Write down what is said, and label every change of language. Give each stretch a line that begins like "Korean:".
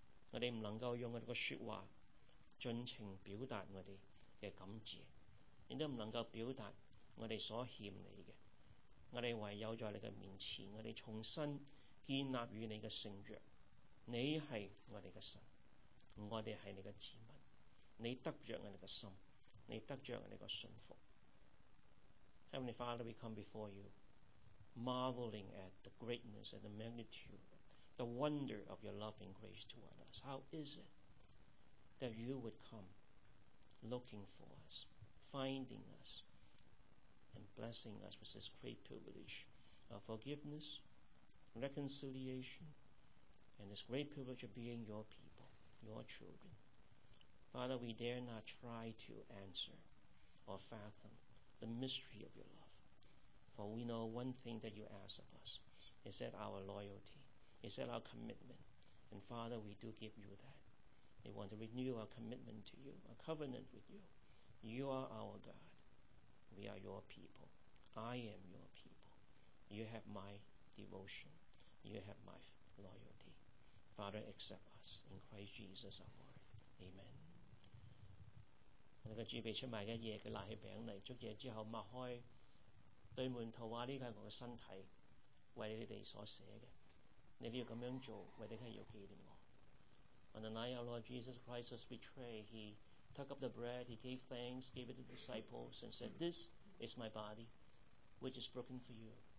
Chinese: 我们不能够用我们的说话尽情表达我们的感谢，也都不能够表达我们所欠你的，我们唯有在你的面前，我们重新建立与你的圣约，你是我们的神，我们是你的子民，你得着我们的心，你得着我们的信服。
English: Heavenly Father, we come before you marveling at the greatness and the magnitude, the wonder of your loving grace toward us. How is it that you would come looking for us, finding us, and blessing us with this great privilege of forgiveness, reconciliation, and this great privilege of being your people, your children? Father, we dare not try to answer or fathom the mystery of your love. For we know one thing that you ask of us is that our loyalty, is that our commitment. And Father, we do give you that. We want to renew our commitment to you, our covenant with you. You are our God. We are your people. I am your people. You have my devotion. You have my loyalty. Father, accept us in Christ Jesus our Lord. Amen.
Chinese: 那个主被出卖的夜，他拿起饼来，祝夜之后擘开，对门徒说，这是我的身体，为你们所写的，你们要这样做，为的是要纪念我。
English: On the night our Lord Jesus Christ was betrayed, he took up the bread, he gave thanks, gave it to the disciples, and said, This is my body, which is broken for you.